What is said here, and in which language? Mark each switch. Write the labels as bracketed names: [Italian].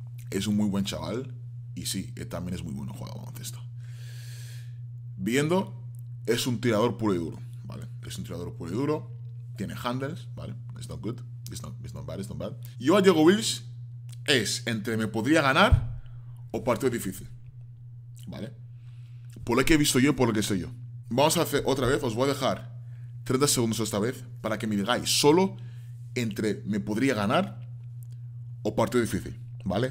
[Spanish] Es un muy buen chaval y sí, también es muy bueno jugando baloncesto. Viendo, es un tirador puro y duro, ¿vale? Es un tirador puro y duro, tiene handles, ¿vale? [English] It's not good, it's not bad, it's not bad. [Spanish] Yo a Diego Wills es entre me podría ganar o partido difícil, ¿vale? Por lo que he visto yo, por lo que sé yo. Vamos a hacer otra vez, os voy a dejar 30 segundos esta vez para que me digáis solo entre me podría ganar o partido difícil, ¿vale?